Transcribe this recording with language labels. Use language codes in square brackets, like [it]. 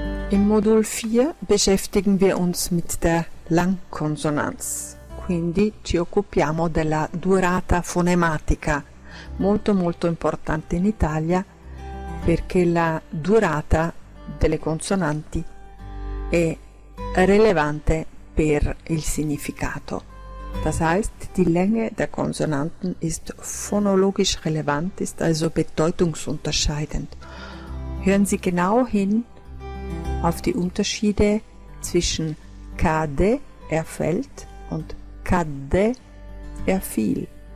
[de] Im Modul 4 beschäftigen wir uns mit der Langkonsonanz. [it] Quindi ci occupiamo della durata fonematica, molto molto importante in Italia, perché la durata delle consonanti è rilevante per il significato. [de] Das heißt, die Länge der Konsonanten ist phonologisch relevant, ist also bedeutungsunterscheidend. Hören Sie genau hin auf die Unterschiede zwischen cade, er fällt, und cadde, er fiel.